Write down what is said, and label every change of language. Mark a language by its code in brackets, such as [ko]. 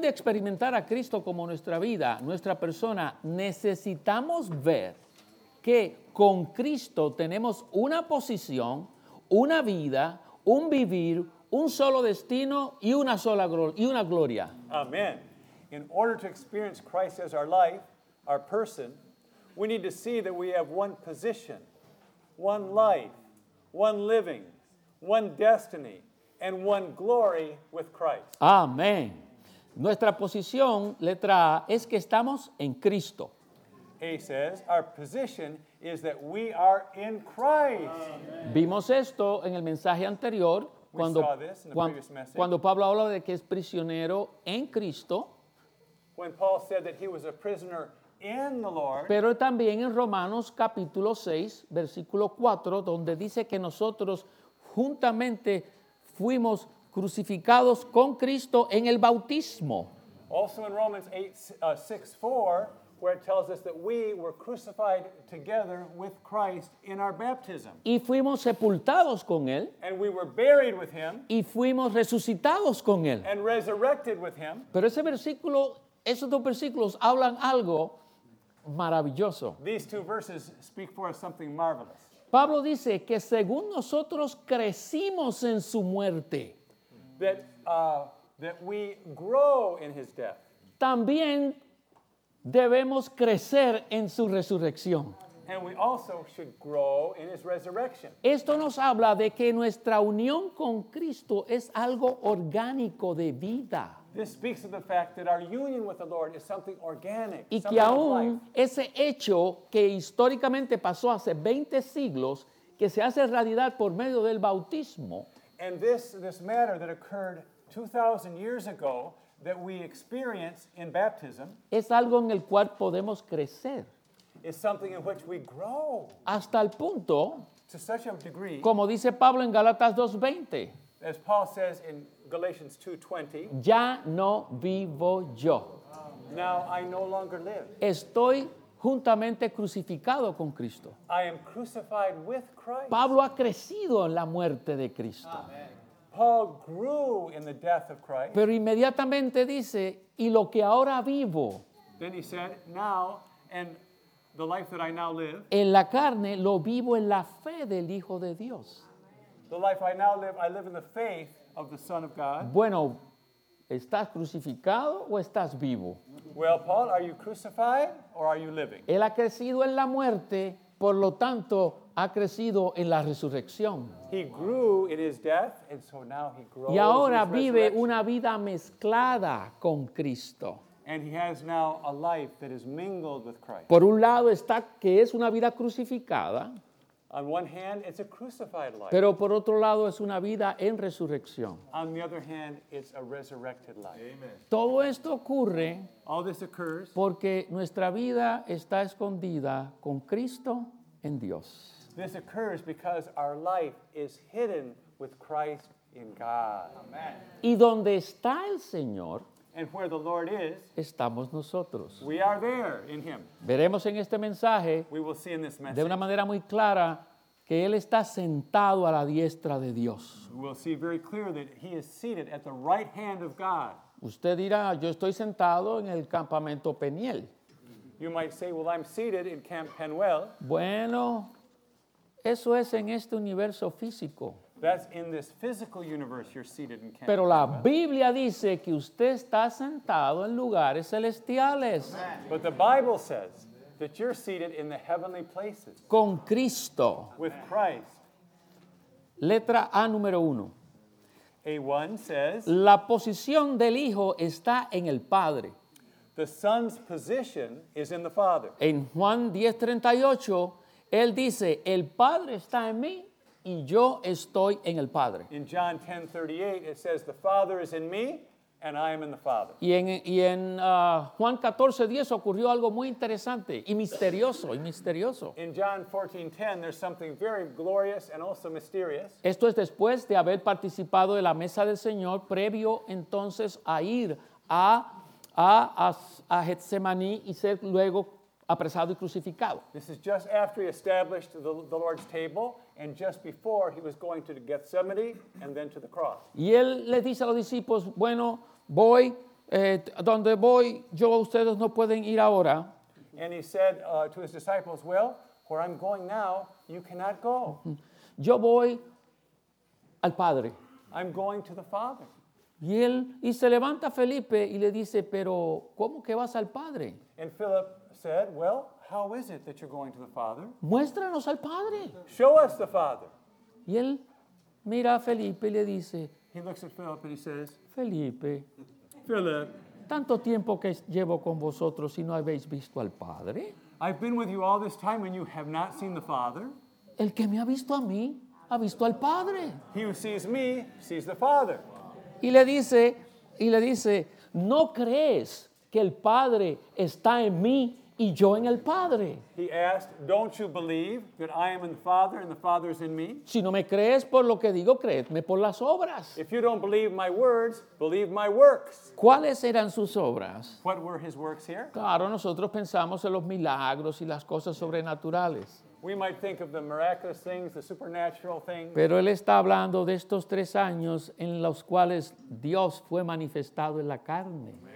[es] de experimentar a Cristo como nuestra vida, nuestra persona, necesitamos ver que con Cristo tenemos una posición, una vida, un vivir, un solo destino y una sola gloria. Amen. [en] In order to experience Christ as our life, our person, we need to see that we have one position, one life, one living, one destiny, and one glory with Christ. Amen. [es] Nuestra posición, letra A, es que estamos en Cristo. [en] A says, our position is that we are in Christ. Amen. [es] Vimos esto en el mensaje anterior. Cuando Pablo habla de que es prisionero en Cristo. [en] When Paul said that he was a prisoner in the Lord. [es] Pero también en Romanos capítulo 6, versículo 4, donde dice que nosotros juntamente fuimos crucificados con Cristo en el bautismo. [en] Also in Romans 6:4. Where it tells us that we were crucified together with Christ in our baptism. [es] Y fuimos sepultados con él. [en] And we were buried with him. [es] Y fuimos resucitados con él. [en] And resurrected with him. [es] Pero ese versículo, esos dos versículos hablan algo maravilloso. [en] These two verses speak for us something marvelous. [es] Pablo dice que según nosotros crecimos en su muerte. [en] That we grow in his death. [es] También debemos crecer en su resurrección. [en] And we also should grow in his resurrection. [es] Esto nos habla de que nuestra unión con Cristo es algo orgánico de vida. [en] This speaks of the fact that our union with the Lord is something organic. [es] Y que aún ese hecho que históricamente pasó hace 20 siglos, que se hace realidad por medio del bautismo. [en] And this matter that occurred 2,000 years ago that we experience in baptism, [es] es algo en el cual podemos crecer, [en] is something in which we grow, [es] hasta el punto, [en] to such a degree, [es] como dice Pablo en Galatas 2:20, [en] as Paul says in Galatians 2:20, [es] ya no vivo yo, [en] now I no longer live, [es] estoy juntamente crucificado con Cristo, [en] I am crucified with Christ. [es] Pablo ha crecido en la muerte de Cristo. Amen. [en] Paul grew in the death of Christ. [es] Pero inmediatamente dice, y lo que ahora vivo. [en] Then he said, now, and the life that I now live. [es] En la carne, lo vivo en la fe del Hijo de Dios. [en] The life I now live, I live in the faith of the Son of God. [es] Bueno, ¿estás crucificado o estás vivo? [en] Well, Paul, are you crucified or are you living? [es] Él ha crecido en la muerte, por lo tanto, ha crecido en la resurrección. [en] He grew in his death, and so now he grows. [es] Y ahora vive una vida mezclada con Cristo. [en] And he has now a life that is mingled with Christ. [es] Por un lado está que es una vida crucificada. [en] On one hand, it's a crucified life. [es] Pero por otro lado es una vida en resurrección. [en] On the other hand, it's a resurrected life. Amen. [es] Todo esto ocurre. [en] All this occurs. [es] Porque nuestra vida está escondida con Cristo en Dios. [en] This occurs because our life is hidden with Christ in God. Amen. [es] Y donde está el Señor. [en] And where the Lord is, [es] estamos nosotros. [en] We are there in him. [es] Veremos en este mensaje, [en] we will see in this message, [es] de una manera muy clara, que él está sentado a la diestra de Dios. [en] We'll see very clear that he is seated at the right hand of God. [es] Usted dirá, yo estoy sentado en el campamento Peniel. [en] You might say, well, I'm seated in Camp Penuel. [es] Bueno, eso es en este universo físico. [en] That's in this physical universe you're seated in. Canada. [es] Pero la Biblia dice que usted está sentado en lugares celestiales. [en] But the Bible says that you're seated in the heavenly places. [es] Con Cristo. [en] With Christ. [es] Letra A número uno. [en] A1 says. [es] La posición del Hijo está en el Padre. [en] The Son's position is in the Father. [es] En Juan 10:38, él dice, el Padre está en mí. Y yo estoy en el Padre. [en] In John 10:38 it says the Father is in me and I am in the Father. [es] Juan 14:10 ocurrió algo muy interesante y misterioso, [en] In John 14:10 there's something very glorious and also mysterious. [es] Esto es después de haber participado de la mesa del Señor previo entonces a ir a Getsemaní y ser luego apresado y crucificado. [en] This is just after he established the Lord's table and just before he was going to Gethsemane and then to the cross. [es] Y él le dice a los discípulos, bueno, voy, donde voy, yo, ustedes no pueden ir ahora. [en] And he said to his disciples, well, where I'm going now, you cannot go. [es] Yo voy al Padre. [en] I'm going to the Father. [es] Y él, y se levanta Felipe y le dice, pero, ¿cómo que vas al Padre? [en] And Philip said, well, how is it that you're going to the Father? [es] Muéstranos al Padre. [en] Show us the Father. [es] Y él mira a Felipe y le dice, [en] he looks at Philip and he says, [es] Felipe, [en] Philip, [es] tanto tiempo que llevo con vosotros y no habéis visto al Padre. [en] I've been with you all this time and you have not seen the Father. [es] El que me ha visto a mí, ha visto al Padre. [en] He who sees me, sees the Father. [es] Y le dice, no crees que el Padre está en mí y yo en el Padre. [en] He asked, don't you believe that I am in the Father and the Father is in me? [es] Si no me crees por lo que digo, créeme por las obras. [en] If you don't believe my words, believe my works. [es] ¿Cuáles eran sus obras? [en] What were his works here? [es] Claro, nosotros pensamos en los milagros y las cosas sobrenaturales. [en] We might think of the miraculous things, the supernatural things. [es] Pero él está hablando de estos tres años en los cuales Dios fue manifestado en la carne.